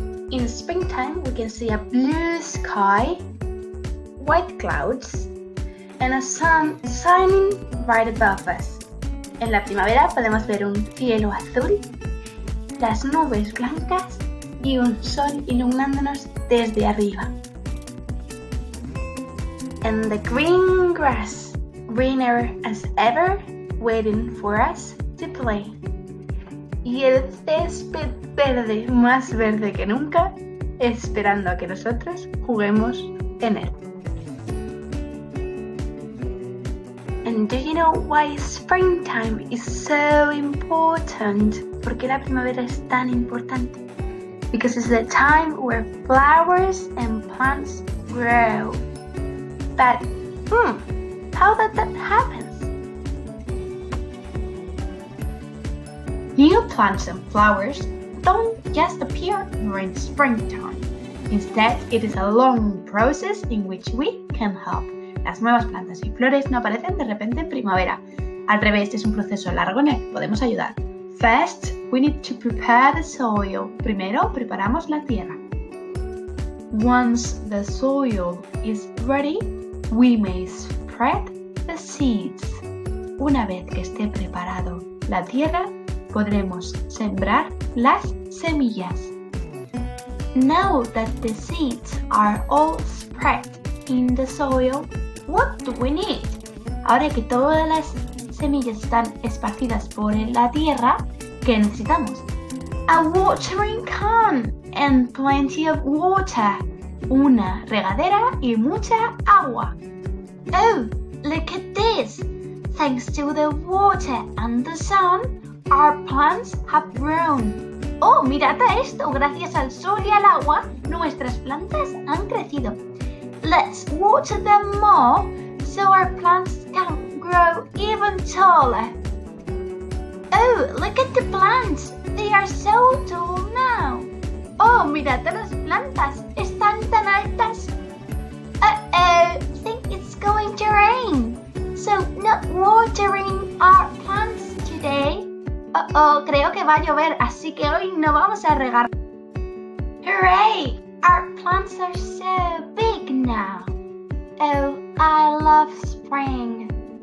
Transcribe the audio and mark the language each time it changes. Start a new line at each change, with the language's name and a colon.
English: In Springtime, we can see a blue sky, white clouds, and a sun shining right above us.
Spanish: En la primavera podemos ver un cielo azul, las nubes blancas y un sol iluminándonos desde arriba.
English: And the green grass, greener as ever, waiting for us to play.
Spanish: Y el césped verde, más verde que nunca, esperando a que nosotros juguemos en él.
English: And do you know why springtime is so important?
Spanish: ¿Por qué la primavera es tan importante?
English: Because it's the time where flowers and plants grow. But, how did that happen? New plants and flowers don't just appear during springtime. Instead, it is a long process in which we can help.
Spanish: Las nuevas plantas y flores no aparecen de repente en primavera. Al revés, es un proceso largo en el que podemos ayudar.
English: First, we need to prepare the soil.
Spanish: Primero, preparamos la tierra.
English: Once the soil is ready, we may spread the seeds.
Spanish: Una vez que esté preparado la tierra, podremos sembrar las semillas.
English: Now that the seeds are all spread in the soil, what do we need?
Spanish: Ahora que todas las semillas están esparcidas por la tierra, ¿qué necesitamos?
English: A watering can and plenty of water.
Spanish: Una regadera y mucha agua.
English: Oh, look at this! Thanks to the water and the sun, our plants have grown.
Spanish: Oh, mirad a esto! Gracias al sol y al agua, nuestras plantas han crecido.
English: Let's water them more so our plants can grow even taller. Oh, look at the plants. They are so tall now.
Spanish: Oh, mirad a las plantas. Están tan altas.
English: Uh-oh, I think it's going to rain. So, not watering our plants today.
Spanish: Uh-oh, creo que va a llover, así que hoy no vamos a regar.
English: Hooray! Our plants are so big now. Oh, I love spring.